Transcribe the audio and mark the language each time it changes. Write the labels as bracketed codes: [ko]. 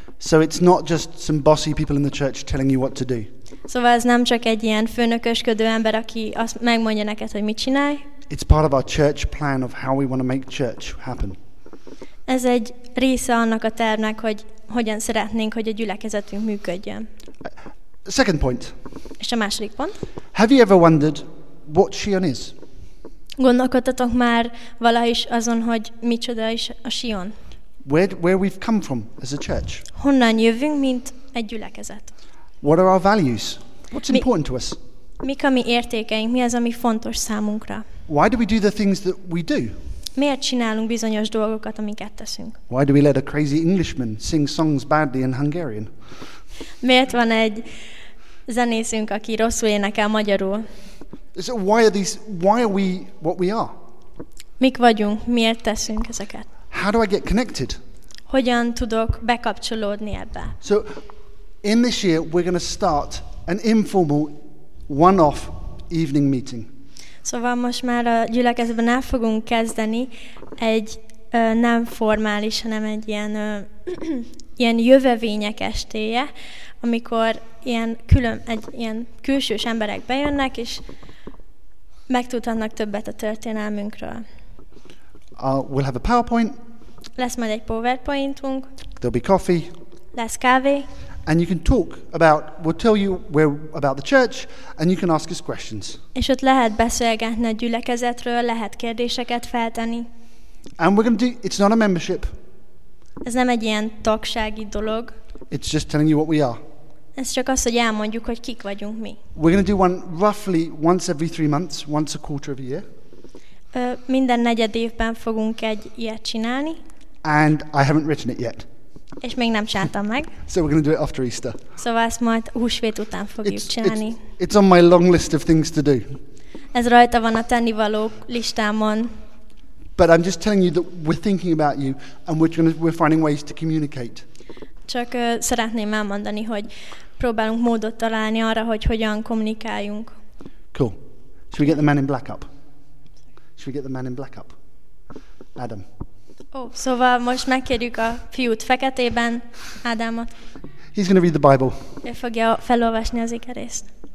[en] So it's not just some bossy people in the church telling you what to do. [hu] Szóval ez nem csak egy ilyen főnökösködő ember, aki azt megmondja neked, hogy mit csinálj. [en] It's part of our church plan of how we want to make church happen. [hu] Ez egy része annak a tervnek, hogy hogyan szeretnénk, hogy a gyülekezetünk működjön. [en] Second point. [hu] És a második pont. [en] Have you ever wondered what Sion is? [hu] Gondolkodtatok már valaha is azon, hogy micsoda is a Sion? [en] Where we've come from as a church? [hu] Honnan jövünk, mint egy gyülekezet? [en] What are our values? What's important to us? [hu] Mik a mi értékeink? Mi az, ami fontos számunkra? [en] Why do we do the things that we do? [hu] Miért csinálunk bizonyos dolgokat, amiket teszünk? [en] Why do we let a crazy Englishman sing songs badly in Hungarian? [hu] Miért van egy zenészünk, aki rosszul énekel magyarul? [en] So why are we what we are? [hu] Mik vagyunk, miért teszünk ezeket? [en] How do I get connected? [hu] Hogyan tudok bekapcsolódni ebbe? [en] So in this year we're going to start an informal one-off evening meeting. [hu] Szóval most már a gyülekezetben el fogunk kezdeni egy nem formális, hanem egy ilyen, ilyen jövevények estéje, amikor ilyen ilyen külsős emberek bejönnek, és megtudhatnak többet a történelmünkről. [en] We'll have a PowerPoint. [hu] Lesz majd egy PowerPointunk. [en] There'll be coffee. [hu] Lesz kávé. [en] And you can talk about, we'll tell you where about the church, and you can ask us questions. [hu] És ott lehet beszélgetni a gyülekezetről, lehet kérdéseket feltenni. [en] And we're going to do, it's not a membership. [hu] Ez nem egy ilyen tagsági dolog. [en] It's just telling you what we are. [hu] Ez csak az, hogy elmondjuk, hogy kik vagyunk mi. [en] We're going to do one roughly once every 3 months, once a quarter of a year. [hu] Minden negyed évben fogunk egy ilyet csinálni. [en] And I haven't written it yet. [hu] És még nem csináltam meg. [en] So we're going to do it after Easter. [hu] Szóval ezt majd húsvét után fogjuk csinálni. [en] It's on my long list of things to do. [hu] Ez rajta van a tennivalók listámon. [en] But I'm just telling you that we're thinking about you and we're finding ways to communicate. [hu] Csak szeretném elmondani, hogy próbálunk módot találni arra, hogy hogyan kommunikáljunk. [en] Cool. Should we get the man in black up? Should we get the man in black up? Adam. [hu] Szóval most megkérjük a fiút feketében, Ádámot. [en] He's going to read the Bible. [hu] Ő fogja felolvasni az ikerészt.